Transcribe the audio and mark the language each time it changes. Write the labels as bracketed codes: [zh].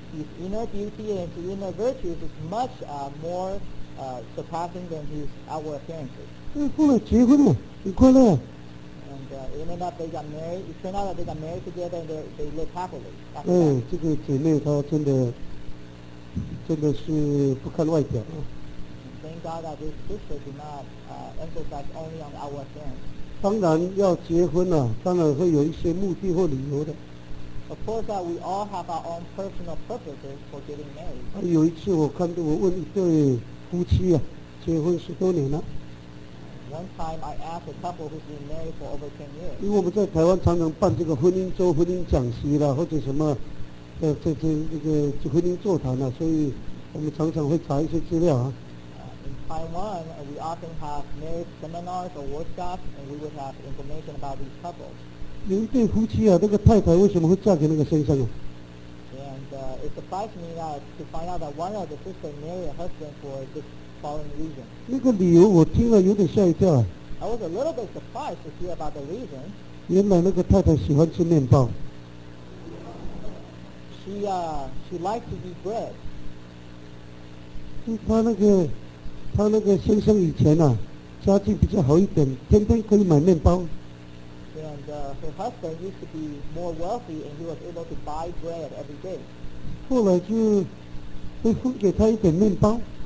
[en] His inner beauty and his inner virtues is much more surpassing than his outward appearances. [zh] 后来结婚了，很快乐。 [en] It ended up they got married. It turned out that they got married together and they lived happily. [zh] 这个姐妹她真的是不看外表。 [en] Thank God that this sister did not emphasize only on our appearance. [zh] 当然要结婚啊，当然会有一些目的或理由的。 [en] Of course that we all have our own personal purposes for getting married. [zh] 有一次我问一对夫妻啊，结婚十多年了。 [en] One time, I asked a couple who's been married for over 10 years. [zh] 因为我们在台湾常常办这个婚姻周、婚姻讲习啦，或者什么，这个婚姻座谈啦，所以我们常常会查一些资料啊。 [en] In Taiwan, we often have marriage seminars or workshops, and we would have information about these couples. [zh] 有一对夫妻啊，那个太太为什么会嫁给那个先生啊？ [en] And it surprised me that to find out that one of the sisters married a husband for this. [zh] 那个理由我听了有点吓一跳啊。 [en] I was a little bit surprised to hear about the reason. [zh] 原来那个太太喜欢吃面包。 [en] She likes to eat bread. [zh] 他那个先生以前啊，家境比较好一点，天天可以买面包。 [en] And her husband used to be more wealthy, and he was able to buy bread every day. [zh] 后来就会分给他一点面包。